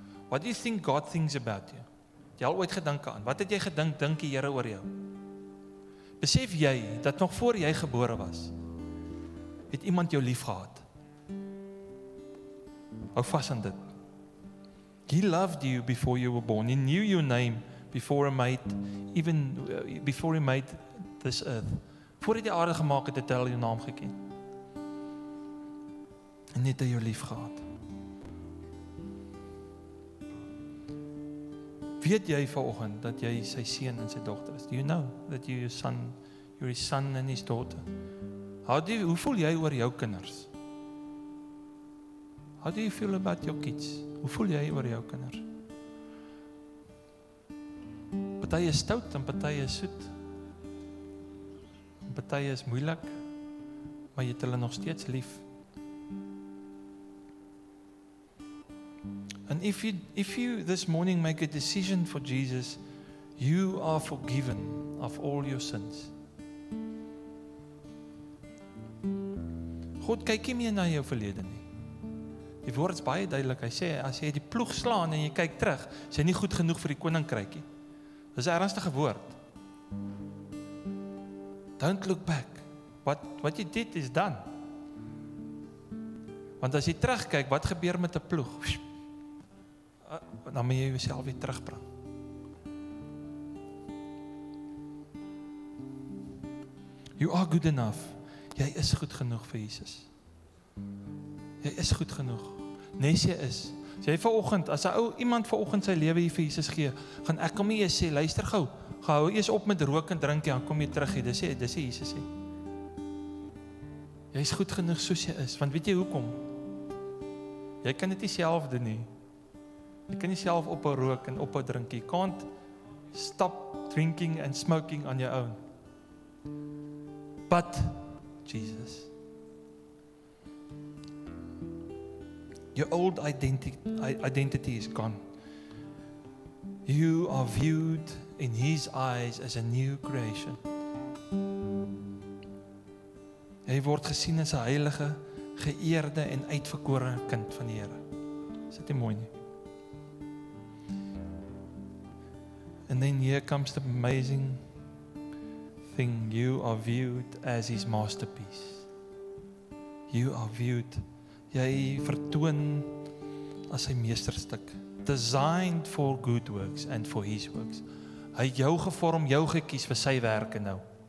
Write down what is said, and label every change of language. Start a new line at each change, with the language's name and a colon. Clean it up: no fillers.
English: What do you think God thinks about you?
Afrikaans: Jy al ooit gedinke aan? Wat het jy gedink dink die Here oor jou? Besef jy dat nog voor jy gebore was, het iemand jou lief gehad? Hou vas aan dit.
English: He loved you before you were born. He knew your name before he made this earth.
Afrikaans: Voordat die aarde gemaak het, het hy al jou naam geken. En net hy jou lief gehad. Weet jy vanoggend dat jy sy seun en sy dogter is?
English: Do you know that you're your son, you're his son and his daughter?
Afrikaans: Hoe voel jy oor jou kinders?
English: How do you feel about your kids?
Afrikaans: Hoe voel jy oor jou kinders? Party is stout en party is soet. Party is moeilik, maar jy het hulle nog steeds lief.
English: And if you this morning make a decision for Jesus, you are forgiven of all your sins.
Afrikaans: God kyk nie meer na jou verlede nie. Die woord is baie duidelik. Hy sê, as jy die ploeg slaan en jy kyk terug, is jy nie goed genoeg vir die koninkryk nie. Dis 'n ernstige woord.
English: Don't look back. What you did is done.
Afrikaans: Want as jy terugkyk, wat gebeur met 'n ploeg? Dan moet jy jouself weer terugbring.
English: You are good enough.
Afrikaans: Jy is goed genoeg vir Jesus. Jy is goed genoeg. Nesie is. As jy vanoggend, as 'n ou iemand vanoggend sy lewe hier vir Jesus gee, gaan ek hom eers sê, luister gou. Gehou eers op met rook en drink, dan kom jy terug hier. Dis sê Jesus sê. Jy is goed genoeg soos jy is, want weet jy hoekom? Jy kan dit nie self doen nie. Jy kan nie self ophou rook en ophou drink nie.
English: Can't stop drinking and smoking on your own. But Jesus. Your old identity is gone. You are viewed in his eyes as a new creation.
Afrikaans: Jy word gesien as 'n heilige, geëerde en uitverkore kind van die Here. Is dit nie mooi nie?
English: And then here comes the amazing thing. You are viewed as his masterpiece. You are viewed.
Afrikaans: Jy vertoon as sy meesterstuk.
English: Designed for good works and for his works.
Afrikaans: Hy het jou gevorm, jou gekies vir sy werke nou.